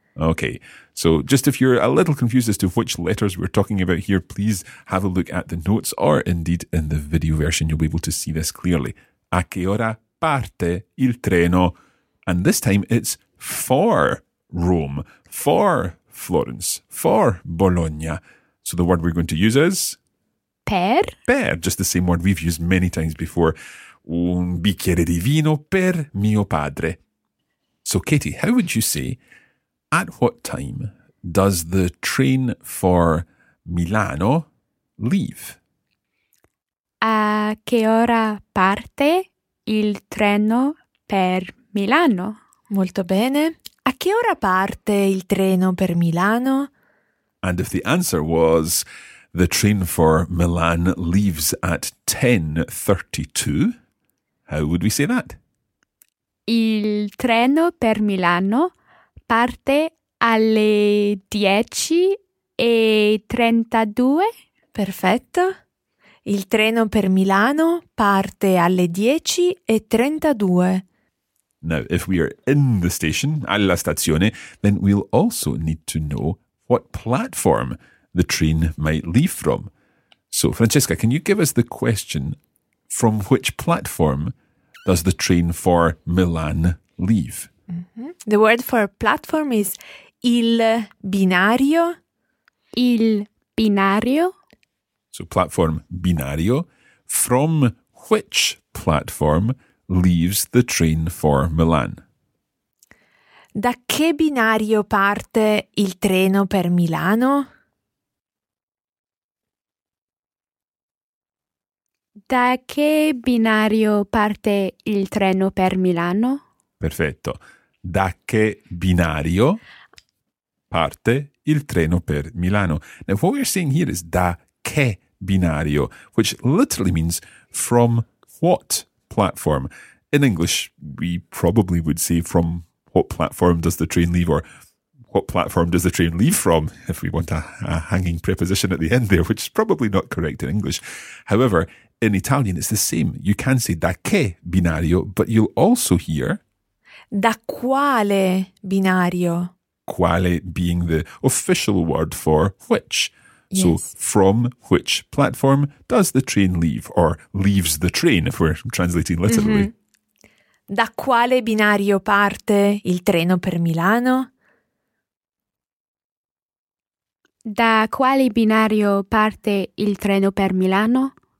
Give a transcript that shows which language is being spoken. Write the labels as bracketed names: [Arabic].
[English] Okay, so just if you're a little confused as to which letters we're talking about here, please have a look at the notes, or indeed in the video version, you'll be able to see this clearly. [Italian] A che ora parte il treno? [English] And this time it's for Rome, for Florence, for Bologna. So the word we're going to use is? [Italian] Per. [English] Per, just the same word we've used many times before. [Italian] Un bicchiere di vino per mio padre. [English] So Katie, how would you say, at what time does the train for Milano leave? [Italian] A che ora parte il treno per Milano? Molto bene. A che ora parte il treno per Milano? [English] And if the answer was the train for Milan leaves at 10:32, how would we say that? [Italian] Il treno per Milano parte alle 10:32. Perfetto. Il treno per Milano parte alle 10:32. [English] Now, if we are in the station, [Italian] alla stazione, [English] then we'll also need to know what platform the train might leave from. So, Francesca, can you give us the question, from which platform does the train for Milan leave? Mm-hmm. The word for platform is il binario. [Italian] Il binario. [English] So, platform binario. From which platform leaves the train for Milan? [Italian] Da che binario parte il treno per Milano? Da che binario parte il treno per Milano? Perfetto. Da che binario parte il treno per Milano? [English] Now, what we're saying here is [Italian] da che binario, [English] which literally means from what platform. In English, we probably would say from what platform does the train leave, or what platform does the train leave from, if we want a hanging preposition at the end there, which is probably not correct in English. However, in Italian, it's the same. You can say [Italian] da che binario, [English] but you'll also hear [Italian] da quale binario. [English] quale being the official word for which. So yes. From which platform does the train leave, or leaves the train, if we're translating literally. Mm-hmm. [Italian] Da quale binario parte il treno per Milano? Da quale binario parte il treno per Milano?